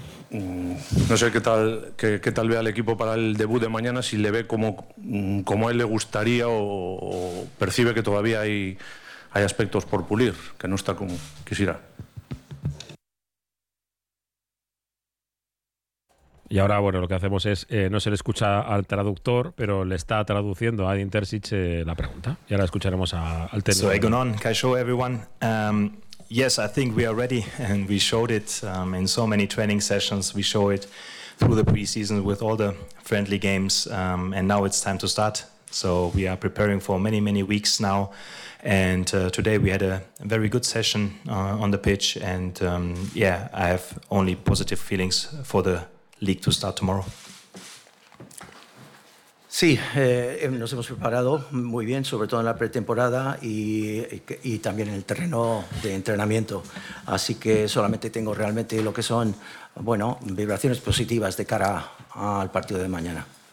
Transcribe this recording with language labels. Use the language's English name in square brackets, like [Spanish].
[Spanish] No sé qué tal vea el equipo para el debut de mañana, si le ve como a él le gustaría o percibe que todavía hay aspectos por pulir, que no está como quisiera. Y ahora, bueno, lo que hacemos es, no se le escucha al traductor, pero le está traduciendo a Edin Terzic la pregunta. Y ahora escucharemos al técnico. [English] So, Egon on, Kaisho, everyone. Yes, I think we are ready, and we showed it in so many training sessions. We show it through the preseason with all the friendly games, and now it's time to start. So we are preparing for many, many weeks now. And today we had a very good session on the pitch, and I have only positive feelings for the League to start tomorrow. [Spanish] Sí, nos hemos preparado muy bien, sobre todo en la pretemporada y también en el terreno de entrenamiento. Así que solamente tengo realmente lo que son, bueno, vibraciones positivas de cara al partido de mañana.